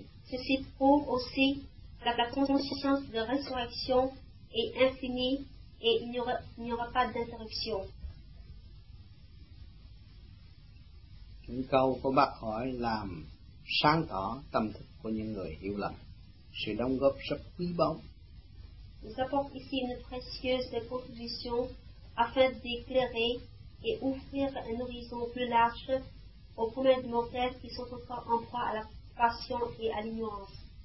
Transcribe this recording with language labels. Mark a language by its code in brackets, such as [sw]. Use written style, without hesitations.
[fr] ceci prouve aussi que la conscience de résurrection est infinie et il n'y aura pas d'interruption. [vi] Những câu của bác hỏi làm sáng tỏ tâm thức của những người hiểu lầm, sự đóng góp rất quý báu. [fr] Nous apportons ici une précieuse contribution afin d'éclairer et ouvrir un horizon plus large aux communs de mortels qui sont encore en proie à la passion et à l'ignorance.